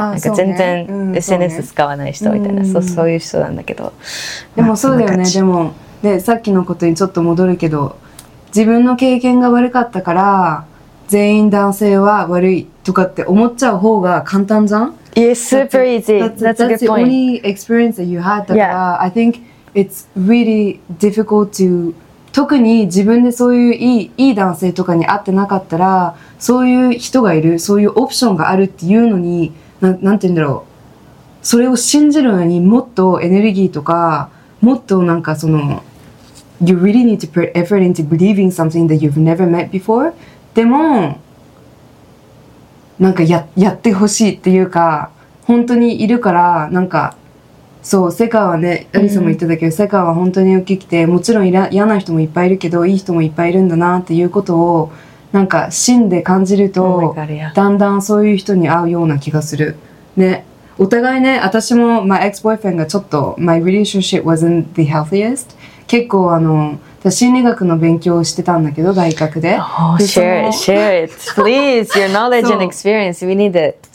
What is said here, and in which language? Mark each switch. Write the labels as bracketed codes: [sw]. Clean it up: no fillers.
[ja] なんか全然 SNS 使わない人みたいな、うん、そういう人なんだけど、でもそうだよね。でもでさっきのことにちょっと戻るけど、自分の経験が悪かったから全員男性は悪いとかって思っちゃう方が簡単じゃん。 [en] Yeah, super easy. That's a good point. That's the only experience that you had [ja] だから、 [en] yeah. I think it's really difficult to [ja] 特に自分でそういういい男性とかに会ってなかったら、そういう人がいる、そういうオプションがあるっていうのに なんて言うんだろう、それを信じるのにもっとエネルギーとかもっとなんかその [en] You really need to put effort into believing something that you've never met before. [ja] でもなんか やってほしいっていうか、本当にいるから、なんかそう世界はね、アリサも言ってたけど、うん、世界は本当に大きくて、もちろん嫌な人もいっぱいいるけど、いい人もいっぱいいるんだなっていうことをなんか芯で感じると、 [en] oh、my God, yeah. [ja] だんだんそういう人に会うような気がするね。お互いね、私も [en] my ex-boyfriend [ja] がちょっと [en] my relationship wasn't the healthiest。 [ja] 結構あの心理学の勉強をしてたんだけど大学で、 [en] oh, share it please your knowledge and experience we need it。